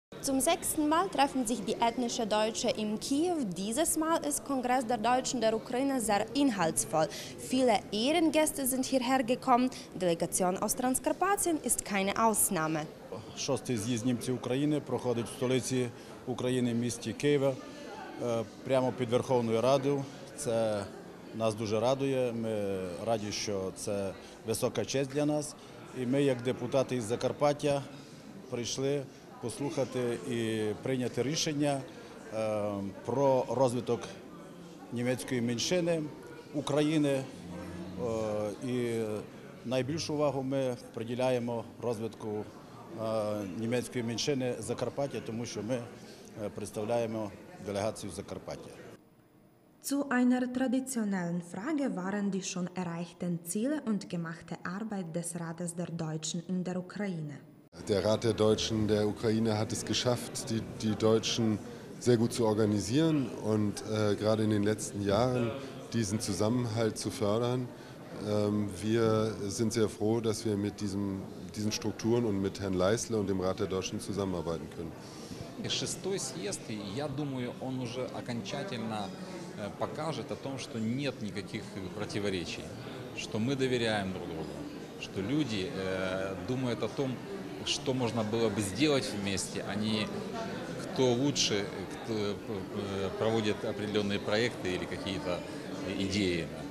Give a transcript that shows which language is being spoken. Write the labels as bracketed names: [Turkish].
[German] Zum sechsten Mal treffen sich die ethnische Deutsche in Kiew. Dieses Mal ist Kongress der Deutschen der Ukraine sehr inhaltsvoll. Viele Ehrengäste sind hierher gekommen. Delegation aus Transkarpatien ist keine Ausnahme. [Ukrainian] Шостий з'їзд німців України проходить в столиці України, місті Києва, прямо під Верховною Радою. Це нас дуже радує. Ми раді, що це висока честь для нас. І ми, як депутати із Закарпаття, прийшли послухати і прийняти рішення про розвиток німецької меншини України. І найбільшу увагу ми приділяємо розвитку німецької меншини Закарпаття, тому що ми представляємо делегацію Закарпаття. [German] Zu einer traditionellen Frage waren die schon erreichten Ziele und gemachte Arbeit des Rates der Deutschen in der Ukraine. Der Rat der Deutschen der Ukraine hat es geschafft, die Deutschen sehr gut zu organisieren und gerade in den letzten Jahren diesen Zusammenhalt zu fördern. Wir sind sehr froh, dass wir mit diesen Strukturen und mit Herrn Leisler und dem Rat der Deutschen zusammenarbeiten können. Der sechste [Russian] Съезд, я думаю, он уже окончательно покажет о том, что нет никаких противоречий, что мы доверяем друг другу, что люди думают о том, что можно было бы сделать вместе, а не кто лучше, кто проводит определенные проекты или какие-то идеи.